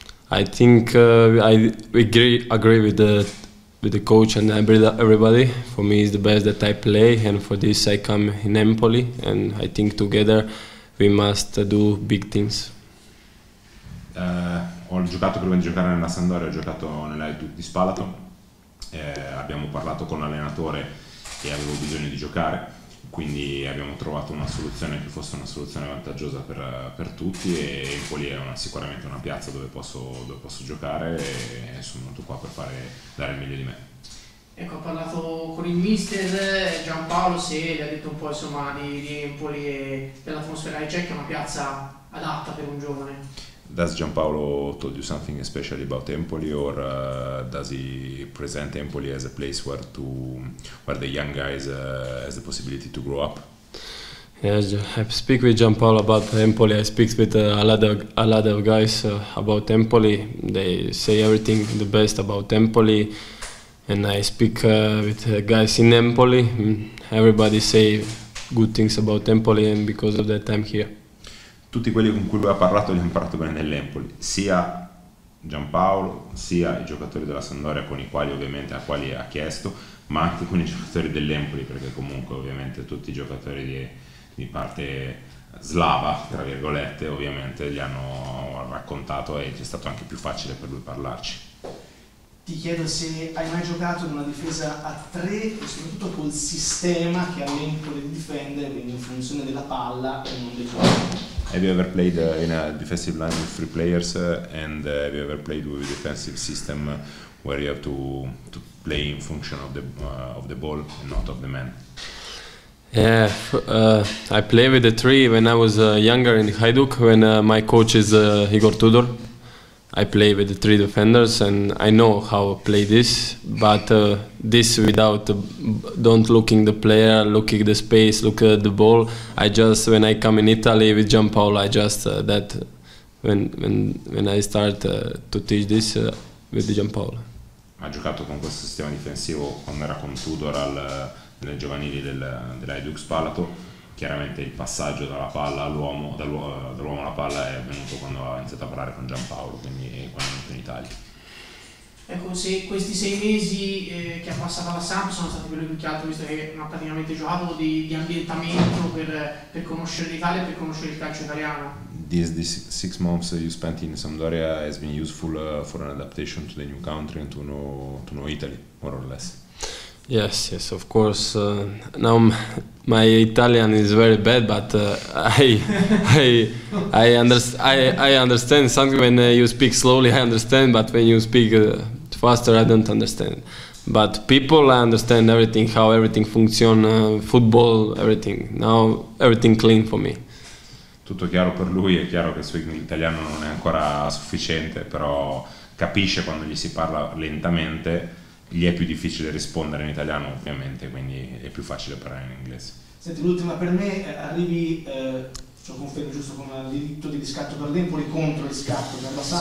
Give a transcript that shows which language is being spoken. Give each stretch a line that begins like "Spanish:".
English: I think I agree with the coach and everybody. For me, it's the best that I play, and for this, I come in Empoli. And I think together we must do big things.
Italian: Ho giocato prima di giocare nella Sampdoria, ho giocato nella Hajduk di Spalato. Abbiamo parlato con l'allenatore e avevo bisogno di giocare, quindi abbiamo trovato una soluzione che fosse una soluzione vantaggiosa per tutti, e Empoli è sicuramente una piazza dove posso giocare, e sono venuto qua per dare il meglio di me. Ecco, ho parlato con il mister Giampaolo, se gli ha detto un po' insomma di Empoli e dell'atmosfera di Cech, che è una piazza adatta per un giovane.
English: Does Giampaolo told you something special about Empoli, or does he present Empoli as a place where the young guys has the possibility to grow up? Yes, I speak with Giampaolo about Empoli. I speak with a lot of guys about Empoli. They say everything the best about Empoli. And I speak with guys in Empoli. Everybody say good things about Empoli, and because of that I'm here.
Italian: Tutti quelli con cui lui ha parlato gli hanno parlato bene dell'Empoli, sia Giampaolo, sia i giocatori della Sampdoria con i quali ovviamente a quali ha chiesto, ma anche con i giocatori dell'Empoli, perché comunque ovviamente tutti i giocatori di parte slava, tra virgolette, ovviamente gli hanno raccontato, e è stato anche più facile per lui parlarci. Ti chiedo se hai mai giocato in una difesa a tre, e soprattutto col sistema che ha l'Empoli di difendere, quindi in funzione della palla e non del gioco.
English: Have you ever played in a defensive line with three players, and have you ever played with a defensive system where you have to play in function of the ball and not of the man? I play with the three when I was younger in Hajduk, when my coach is Igor Tudor. I play with the three defenders and I know how play this, but this without don't looking the player, looking the space, look at the ball. I just when I come in Italy with Giampaolo, I just that when I start to teach this with Giampaolo.
Italian: Ha giocato con questo sistema difensivo quando era con Tudor nelle giovanili dell'Hajduk Spalato. Chiaramente il passaggio dalla palla all'uomo, dall'uomo alla palla è avvenuto quando ha iniziato a parlare con Giampaolo, quindi quando è venuto in Italia. Ecco, se questi 6 mesi che ha passato alla Samp sono stati quelli più che altro, visto che non ha praticamente giocato, di ambientamento per conoscere l'Italia e per conoscere il calcio italiano.
English: These 6 months you spent in Sampdoria has been useful for an adaptation to the new country and to know Italy, more or less. Yes, of course. Now my Italian is very bad, but I understand something when you speak slowly. I understand, but when you speak faster, I don't understand. But people, I understand everything, how everything function, football, everything. Now everything clean for me.
Italian: Tutto chiaro per lui, è chiaro che il suo italiano non è ancora sufficiente, però capisce quando gli si parla lentamente, gli è più difficile rispondere in italiano, ovviamente, quindi è più facile parlare in inglese. Senti, l'ultima per me, arrivi, cioè confermo giusto con il diritto di riscatto per l'Empoli contro il riscatto per la